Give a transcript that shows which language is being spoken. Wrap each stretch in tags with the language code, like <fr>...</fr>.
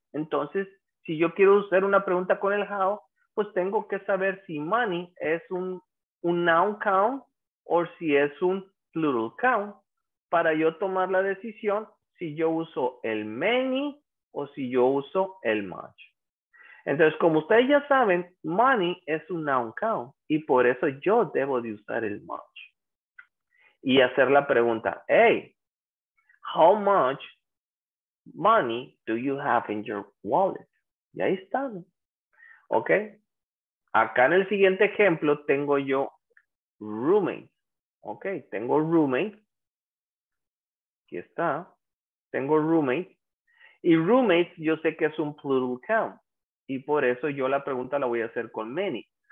<es>Entonces, si yo quiero hacer una pregunta con el how, pues tengo que saber si money es un noun count o si es un plural count para yo tomar la decisión si yo uso el many o si yo uso el much. Entonces, como ustedes ya saben, money es un noun count y por eso yo debo de usar el much. Y hacer la pregunta,</es> <en>hey, how much money do you have in your wallet?</en> <es>Y ahí está, ¿no? ¿Ok? Acá en el siguiente ejemplo tengo yo roommate. ¿Ok? Tengo roommate. Aquí está. Tengo roommate. Y roommate yo sé que es un plural count. Y por eso yo la pregunta la voy a hacer con many.</es>